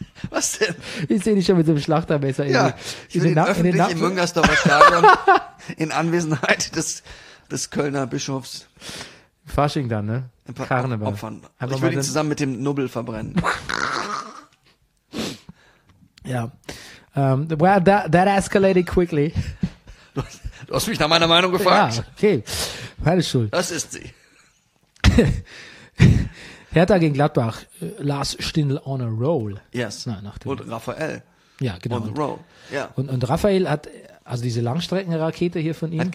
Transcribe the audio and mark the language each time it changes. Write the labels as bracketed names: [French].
[German] Was denn? Ich sehe dich schon mit so einem Schlachtermesser. Ja, in den Müngersdorfer Stadion in Anwesenheit des Kölner Bischofs. Fasching dann, ne? Karneval. Opfern. Einfach ich würde ihn zusammen mit dem Nubbel verbrennen. Ja. [English] Well, that escalated quickly. [German] Du hast mich nach meiner Meinung gefragt. Ja, okay. Meine Schuld. Das ist sie. Hertha gegen Gladbach. Lars Stindl [English] on a roll. [German] Yes. Und Raphael. Ja, genau. [English] On the roll. Ja. [German] Und Raphael hat, also diese Langstreckenrakete hier von ihm.